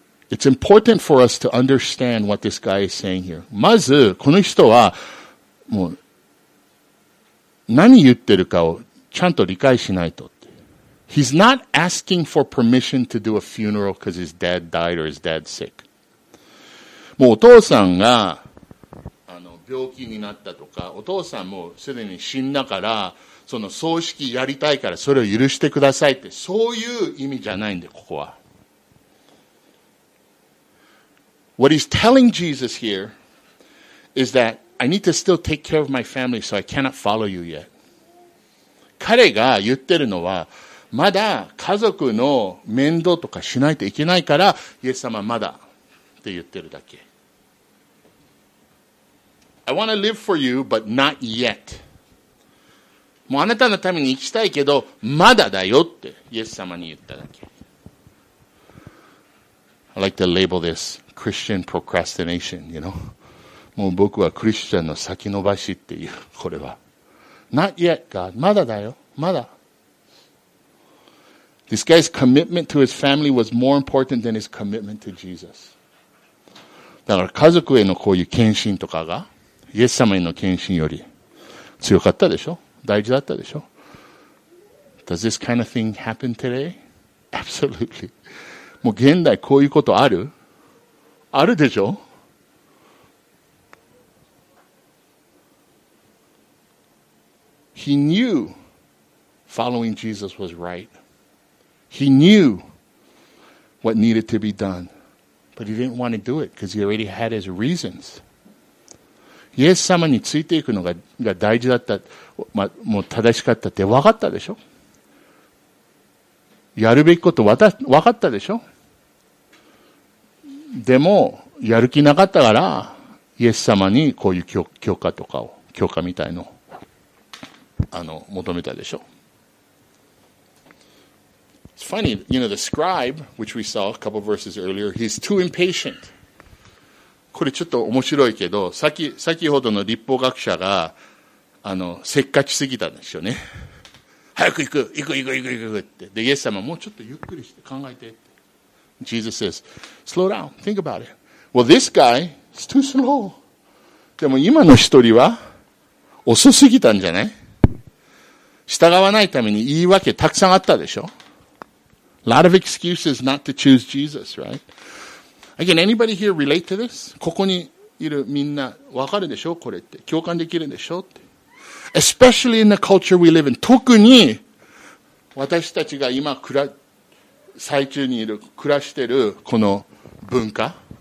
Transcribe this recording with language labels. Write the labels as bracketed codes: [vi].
[en] It's important for us to understand what this guy is saying here. [ja] まず、この人は、もう、何言ってるかをちゃんと理解しないとって。 [en] He's not asking for permission to do a funeral because his dad died or his dad's sick. [ja] もうお父さんが病気になったとか、お父さんもすでに死んだから、その葬式やりたいからそれを許してくださいって、そういう意味じゃないんで、ここは。 [en] What he's telling Jesus here is thatI need to still take care of my family, so I cannot follow you yet. [ja] 彼が言ってるのは、まだ家族の面倒とかしないといけないから、イエス様まだって言ってるだけ。 [en] I want to live for you, but not yet. [ja] もうあなたのために生きたいけど、まだだよって、イエス様に言っただけ。 [en] I like to label this Christian procrastination, you know? [ja] もう僕はクリスチャンの先延ばしっていう、これは。 [en] Not yet, God. [ja] まだだよ。まだ。 [en] This guy's commitment to his family was more important than his commitment to Jesus. [ja] だから家族へのこういう献身とかが、イエス様への献身より強かったでしょ？大事だったでしょ？ [en] Does this kind of thing happen today? Absolutely. [ja] もう現代こういうことある？あるでしょ？ [en] He knew following Jesus was right. He knew what needed to be done. But he didn't want to do it because he already had his reasons. [ja] イエス様についていくのが、大事だった、まあ、もう正しかったって分かったでしょ？やるべきこと分かったでしょ？でも、やる気なかったから、イエス様にこういう許可とかを、許可みたいのを。求めたでしょ。 [en] It's funny, you know, the scribe, which we saw a couple of verses earlier, he's too impatient. [ja] これちょっと面白いけど、先ほどの立法学者が、せっかちすぎたんですよね。早く行く、行く行く行く行くって。で、イエス様、もうちょっとゆっくりして考えてって。 [en] Jesus says, slow down, think about it. Well, this guy is too slow. [ja] でも今の一人は、遅すぎたんじゃない？従わないために言い訳たくさんあったでしょ。 [en] A lot of excuses not to choose Jesus, right? Again, anybody here relate to this? [ja] ここにいるみんなわかるでしょ？これって共感できるでしょ？って。 [en] Especially in the culture we live in. [ja] 特に私たちが今最中にいる暮らしているこの文化。